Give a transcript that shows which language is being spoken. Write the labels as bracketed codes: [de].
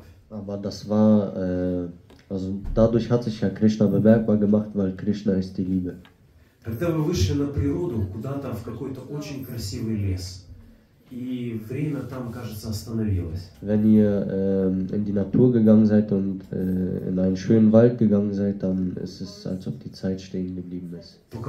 [de] Aber das war, also dadurch hat sich ja Krishna bemerkbar gemacht, weil Krishna ist die Liebe. [ru] Когда вы вышли на природу, куда-то в какой-то очень красивый лес. [de] Wenn ihr in die Natur gegangen seid und in einen schönen Wald gegangen seid, dann ist es, als ob die Zeit stehen geblieben ist.